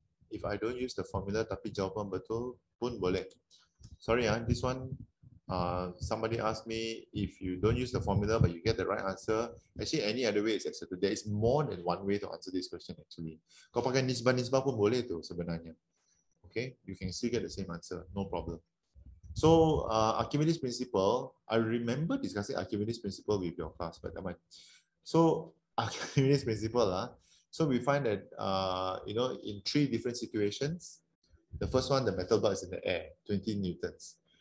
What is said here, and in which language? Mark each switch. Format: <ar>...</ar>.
<en>If I don't use the formula,</en> <ms>tapi jawapan betul pun boleh.</ms> <en>Sorry, this one, somebody asked me, if you don't use the formula but you get the right answer, actually any other way is accepted. There is more than one way to answer this question actually.</en> <ms>Kau pakai nisbah-nisbah pun boleh tu sebenarnya.</ms> <en>Okay, you can still get the same answer, no problem. So Archimedes principle, I remember discussing Archimedes principle with your class, but am I? So Archimedes principle, so we find that in three different situations, the first one, the metal bar is in the air, 20 newtons.</en>